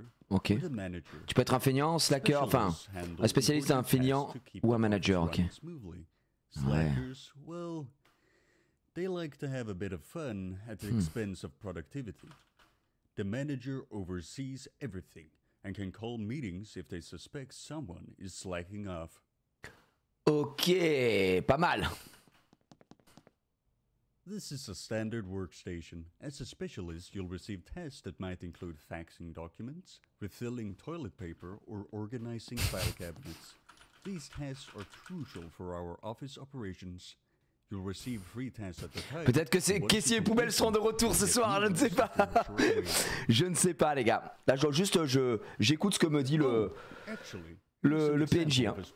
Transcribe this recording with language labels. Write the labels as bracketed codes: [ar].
[fr] Ok. Tu peux être un feignant, slacker, enfin, un spécialiste, un feignant ou un manager, ok. [en] Slackers, well, they like to have a bit of fun at the expense of productivity. The manager oversees everything and can call meetings if they suspect someone is slacking off. [fr] Ok, pas mal. [en] This is a standard workstation. As a specialist, you'll receive tasks that might include faxing documents, refilling toilet paper, or organizing file cabinets. These tasks are crucial for our office operations. You'll receive free tasks at the time. [fr] Peut-être que ces caissiers et poubelles seront de retour ce soir, je ne sais pas. Je ne sais pas, les gars. Là, j'écoute ce que me dit le PNJ.